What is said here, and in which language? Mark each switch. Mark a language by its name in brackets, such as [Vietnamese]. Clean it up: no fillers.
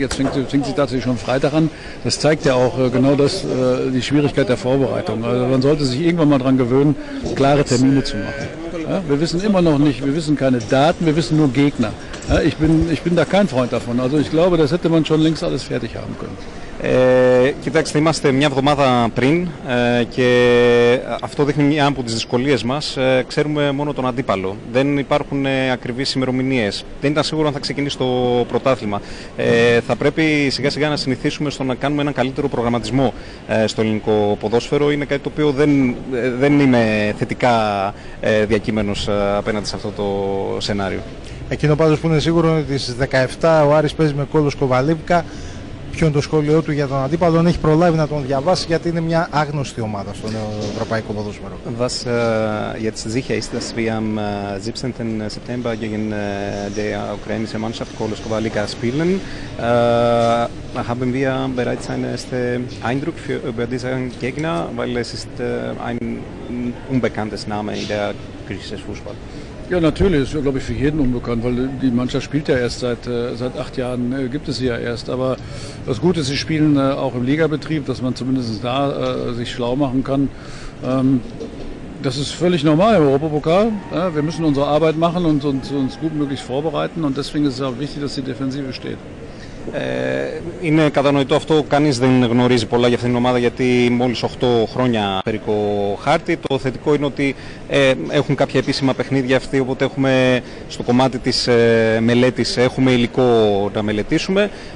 [German] Jetzt fängt sie tatsächlich schon Freitag an. Das zeigt ja auch genau das, die Schwierigkeit der Vorbereitung. Also man sollte sich irgendwann mal daran gewöhnen, klare Termine zu machen. Ja, wir wissen immer noch nicht, wir wissen keine Daten, wir wissen nur Gegner. Ja, ich bin da kein Freund davon. Also ich glaube, das hätte man schon längst alles fertig haben können. [Greek] Κοιτάξτε, είμαστε μια εβδομάδα πριν και αυτό δείχνει μια από τις δυσκολίες μας. Ξέρουμε μόνο τον αντίπαλο. Δεν υπάρχουν ακριβείς ημερομηνίες. Δεν ήταν σίγουρο αν θα ξεκινήσει το πρωτάθλημα. Θα πρέπει σιγά σιγά να συνηθίσουμε στο να κάνουμε έναν καλύτερο προγραμματισμό στο ελληνικό ποδόσφαιρο. Είναι κάτι το οποίο δεν είμαι θετικά διακείμενος απέναντι σε αυτό το σενάριο. Εκείνο πάντως που είναι σίγουρο είναι ότι στις 17 ο Άρης παίζει με Κόλλος Κοβαλίπκα. Ποιο είναι το σχόλιο του για τον αντίπαλο, αν έχει προλάβει να τον διαβάσει, γιατί είναι μια άγνωστη ομάδα στον ευρωπαϊκό ποδόσφαιρο. [German] Was jetzt sicher ist, dass wir am 17. September gegen die ukrainische Mannschaft Kolos Kovalika spielen, haben wir bereits einen ersten Eindruck über diesen Gegner, weil es ist ein unbekanntes Name in der griechischen Fußball. Ja, natürlich, ist, glaube ich, für jeden unbekannt, weil die Mannschaft spielt ja erst seit 8 Jahren, gibt es sie ja erst. Aber das Gute ist, sie spielen auch im Ligabetrieb, dass man zumindest da sich schlau machen kann. Das ist völlig normal im Europapokal. Ja, wir müssen unsere Arbeit machen und uns gut möglichst vorbereiten. Und deswegen ist es auch wichtig, dass die Defensive steht. [Greek] Είναι κατανοητό αυτό, κανείς δεν γνωρίζει πολλά για αυτήν την ομάδα γιατί μόλις 8 χρόνια περίπου χάρτη. Το θετικό είναι ότι έχουν κάποια επίσημα παιχνίδια αυτοί, οπότε έχουμε στο κομμάτι της μελέτης έχουμε υλικό να μελετήσουμε.